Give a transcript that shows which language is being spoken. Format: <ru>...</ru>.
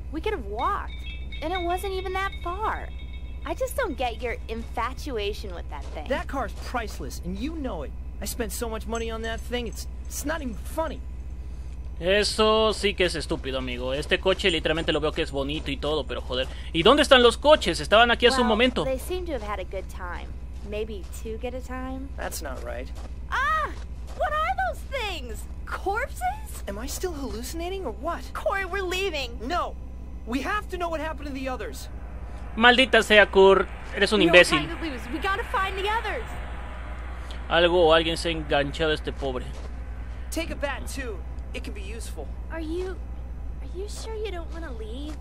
<en>We could have walked, and it wasn't even that far. I just don't get your infatuation with that thing. That car is priceless, and you know it. I spent so much money on that thing, it's not even funny.</en> <es>Eso sí que es estúpido, amigo. Este coche literalmente lo veo que es bonito y todo, pero joder. ¿Y dónde están los coches? Estaban aquí hace</es> <en>well,</en> <es>un momento.</es> <en>They seem to have had a good time. Maybe two get a time. That's not right. Ah! What are those things? Corpses? Am I still hallucinating or what? Corey, we're leaving. No. We have to know what happened to the others.</en> <es>Maldita sea, Kurt. Eres un imbécil.</es> <en>We gotta find the others.</en> <es>Algo o alguien se ha enganchado a este pobre.</es> <en>Take a bat too. It can be useful. Are you sure you don't want to leave?</en>